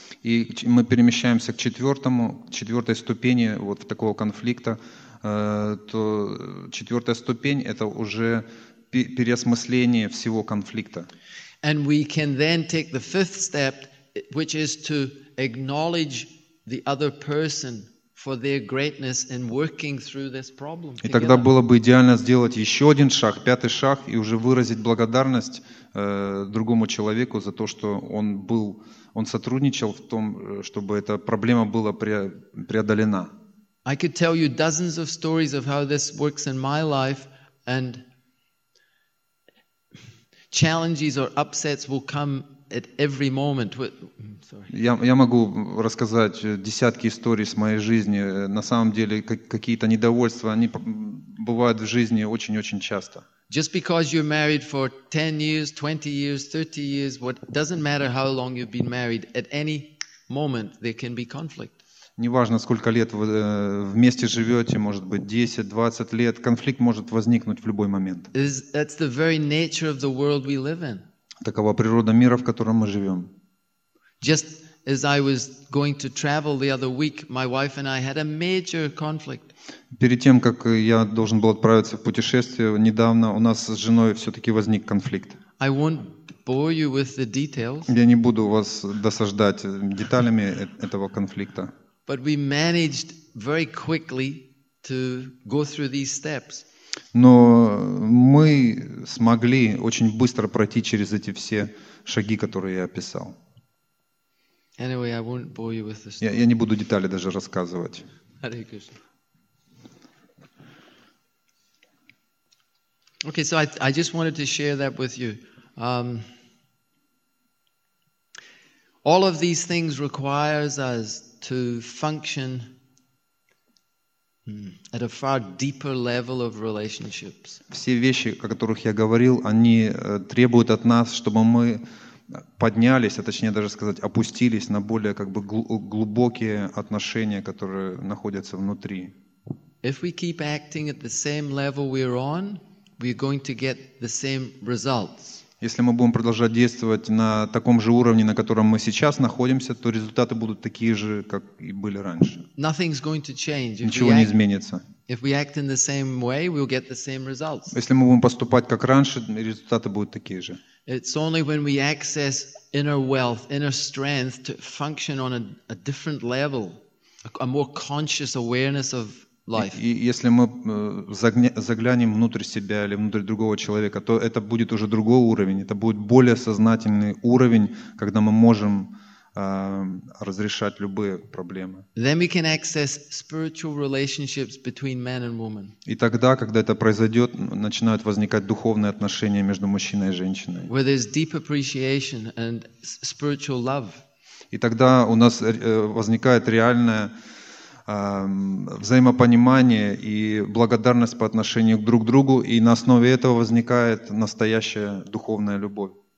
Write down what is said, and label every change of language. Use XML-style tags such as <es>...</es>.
<ru>И мы перемещаемся к четвертой ступени вот в такого конфликта. То четвертая ступень – это уже переосмысление всего конфликта.</ru> <en>And we can then take the fifth step, which is to acknowledge the other person for their greatness in working through this problem.</en> <ru>И тогда было бы идеально сделать еще один шаг, пятый шаг, и уже выразить благодарность другому человеку за то, что он сотрудничал в том, чтобы эта проблема была преодолена.</ru> <en>I could tell you dozens of stories of how this works in my life, and challenges or upsets will come at every moment.</en> <ru>Я могу рассказать десятки историй с моей жизни. На самом деле, какие-то недовольства, они бывают в жизни очень-очень часто.</ru> <en>Just because you're married for 10 years, 20 years, 30 years, what doesn't matter how long you've been married, at any moment there can be conflict.</en> <ru>Неважно, сколько лет вы вместе живете, может быть, 10-20 лет, конфликт может возникнуть в любой момент.</ru> <en>That's the very nature of the world we live in.</en> <ru>Такова природа мира, в котором мы живем.</ru> <en>Just as I was going to travel the other week, my wife and I had a major conflict.</en> <ru>Перед тем, как я должен был отправиться в путешествие недавно, у нас с женой все-таки возник конфликт.</ru> <en>I won't bore you with the details.</en> <ru>Я не буду вас досаждать деталями этого конфликта.</ru> <en>But we managed very quickly to go through these steps.</en> <ru>Но мы смогли очень быстро пройти через эти все шаги, которые я описал.</ru> <en>Anyway, I won't bore you with the story.</en> <ru>Я не буду детали даже рассказывать.</ru> <sa>Hare Krishna.</sa> <en>Okay, so I just wanted to share that with you. All of these things requires us to function at a far deeper level of relationships.</en> <ru>Все вещи, о которых я говорил, они требуют от нас, чтобы мы поднялись, а точнее даже сказать, опустились на более как бы глубокие отношения, которые находятся внутри.</ru> <en>If we keep acting at the same level we're on, we're going to get the same results.</en> <ru>Если мы будем продолжать действовать на таком же уровне, на котором мы сейчас находимся, то результаты будут такие же, как и были раньше.</ru> <en>Nothing's going to change.</en> <ru>Ничего не изменится.</ru> <en>If we act in the same way, we'll get the same results.</en> <ru>Если мы будем поступать как раньше, результаты будут такие же.</ru> <en>It's only when we access inner wealth, inner strength to function on a different level, a more conscious awareness of life.</en> <ru>И если мы заглянем внутрь себя или внутрь другого человека, то это будет уже другой уровень, это будет более сознательный уровень, когда мы можем разрешать любые проблемы.</ru> <en>Then we can access spiritual relationships between man and woman.</en> <ru>И тогда, когда это произойдет, начинают возникать духовные отношения между мужчиной и женщиной.</ru> <en>Where there's deep appreciation and spiritual love.</en> <ru>И тогда у нас возникает реальное взаимопонимание и благодарность по отношению друг к другу, и на основе этого возникает настоящая духовная любовь.</ru>